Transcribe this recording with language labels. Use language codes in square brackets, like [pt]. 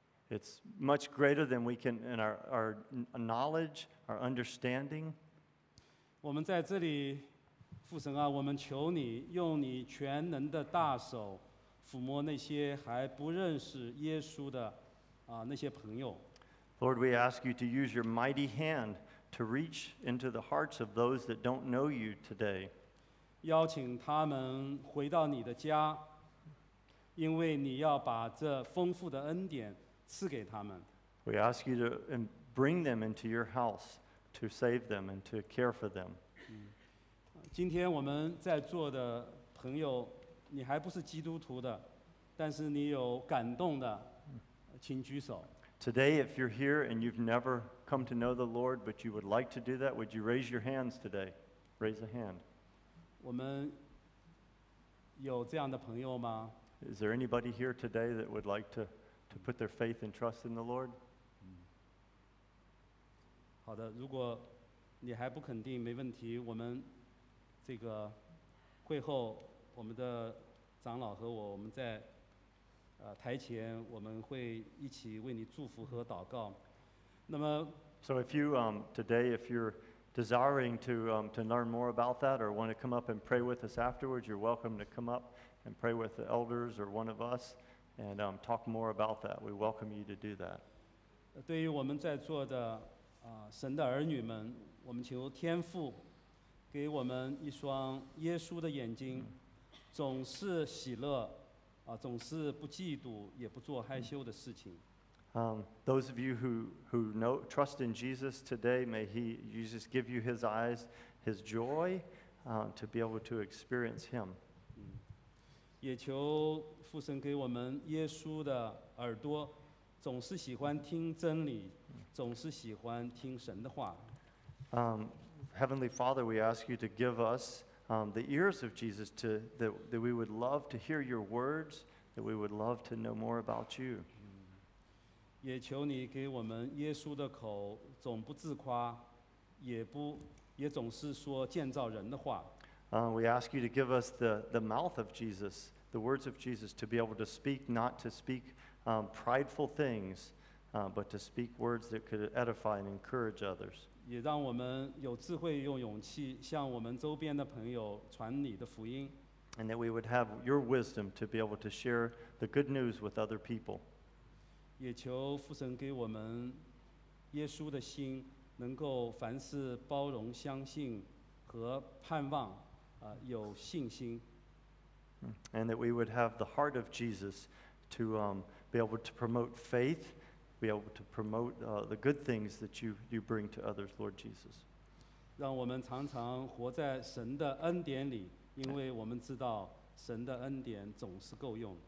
[en] It's much greater than we can in our knowledge, our understanding. We are here. [zh] 父神啊，我们求你用你全能的大手抚摸那些还不认识耶稣的那些朋友。 [en] Lord, we ask you to use your mighty hand to reach into the hearts of those that don't know you today. [zh] 邀请他们回到你的家，因为你要把这丰富的恩典赐给他们。 [en] We ask you to bring them into your house to save them and to care for them. [zh] 今天我们在座的朋友，你还不是基督徒的，但是你有感动的，请举手。 [en] Today, if you're here and you've never come to know the Lord, but you would like to do that, would you raise your hands today? Raise a hand. [zh] 我们有这样的朋友吗 [en] ？Is there anybody here today that would like to put their faith and trust in the Lord? [zh] 好的，如果你还不肯定，没问题，我们。这个会后，我们的长老和我们在台前，我们会一起为你祝福和祷告。那么 [en] ，So if you today if you're desiring to learn more about that or want to come up and pray with us afterwards, you're welcome to come up and pray with the elders or one of us and talk more about that. We welcome you to do that. [zh] 对于我们在座的神的儿女们，我们求天父。给我们一双耶稣的眼睛，总是喜乐，总是不嫉妒，也不做害羞的事情。 [en] Those of you who know trust in Jesus today, may He Jesus give you His eyes, His joy, to be able to experience Him. [zh] 也求父神给我们耶稣的耳朵，总是喜欢听真理，总是喜欢听神的话。 [en] Heavenly Father, we ask you to give us the ears of Jesus to that we would love to hear your words, that we would love to know more about you. [zh] 也求你给我们耶稣的口，总不自夸，也总是说建造人的话。 [en] We ask you to give us the mouth of Jesus, the words of Jesus, to be able to speak, not to speak prideful things, but to speak words that could edify and encourage others. [zh] 也让我们有智慧用勇气向我们周边的朋友传你的福音。 [en] And that we would have your wisdom to be able to share the good news with other people. [zh] 也求父神给我们耶稣的心能够凡事包容相信和盼望有信心。 [en] And that we would have the heart of Jesus to be able to promote faith. Be able to promote the good things that you bring to others, Lord Jesus. [zh] 让我们常常活在神的恩典里，因为我们知道神的恩典总是够用。